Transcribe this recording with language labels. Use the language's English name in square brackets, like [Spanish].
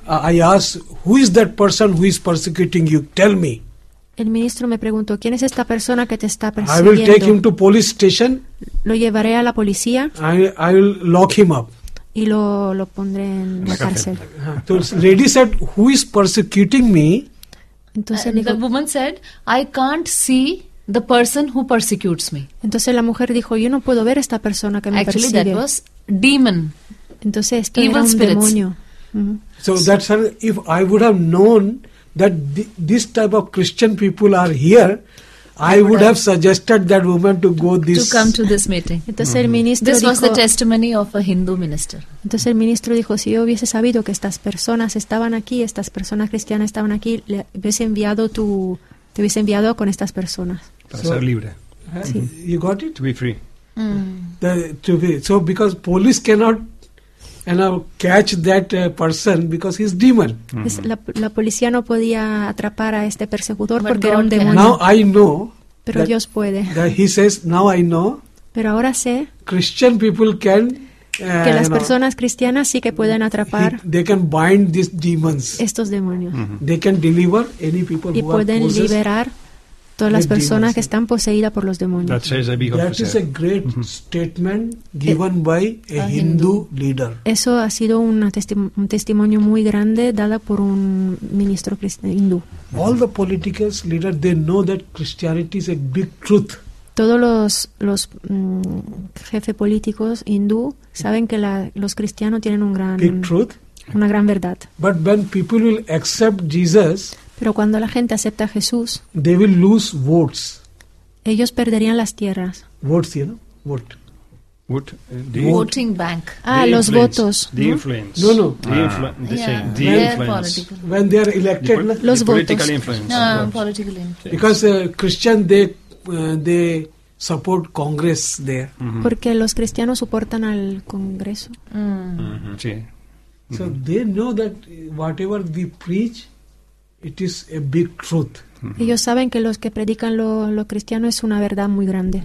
[English] I asked, who is that person who is persecuting you? Tell me. [Spanish] El ministro me preguntó, ¿quién es esta persona que te está persiguiendo? [English] I will take him to police station. [Spanish] Lo llevaré a la policía. [English] I will lock him up. [Spanish] Y lo pondré en la cárcel. [English] So lady said, who is persecuting me? [Spanish] Entonces [English] the woman said, I can't see the person who persecutes me. [Spanish] Entonces la mujer dijo, yo no puedo ver esta persona que me persigue. [English] Actually, that was demon. [Spanish] Entonces esto era un demonio. [English] So that's how, if I would have known that this type of Christian people are here, I would have suggested that woman to go this to come to this meeting. [Spanish] Entonces el ministro [English] this [Spanish] dijo, [English] was the testimony of a Hindu minister. [Spanish] Entonces el ministro dijo, si yo hubiese sabido que estas personas estaban aquí, estas personas cristianas estaban aquí, le hubiese enviado te hubiese enviado con estas personas. Para ser libre. Sí. [English] You got it? To be free. So because police cannot catch that person because he's demon. Mm-hmm. [Spanish] La policía no podía atrapar a este persecutor porque era un demonio. [English] Now I know. [Spanish] Pero [English] that, [Spanish] Dios puede. [English] That he says, now I know. [Spanish] Pero ahora sé. [English] Christian people can. [Spanish] Que las personas cristianas sí que pueden atrapar. [English] They can bind these demons. [Spanish] Estos demonios. [English] Mm-hmm. They can deliver any people [Spanish] y [English] who [Spanish] pueden [English] are [Spanish] liberar todas las personas [English] demons. [Spanish] Que están poseídas por los demonios. [English] That is a great mm-hmm. statement given by a Hindu leader. [Spanish] Eso ha sido un testimonio muy grande dado por un ministro hindú. [English] All the political leaders, they know that Christianity is a big truth. [Spanish] Todos los jefes políticos hindú saben que los cristianos tienen un gran [English] big truth, [Spanish] una gran verdad. [English] But when people will accept Jesus, [Spanish] pero cuando la gente acepta a Jesús, [English] they will lose votes. [Spanish] Ellos perderían las tierras. [English] Votes, you know? Voting bank. [Spanish] Ah, [English] the [Spanish] los votos. [English] The influence. No, no. The influence. When they are elected. [Spanish] Los votos. [English] Political influence. Political influence. Because Christian, they support Congress there. [Spanish] Mm-hmm. Porque los cristianos soportan al Congreso. Mm. Mm-hmm. Mm-hmm. [English] So they know that whatever we preach, it is a big truth. Mm-hmm. [Spanish] Ellos saben que los que predican lo cristiano es una verdad muy grande.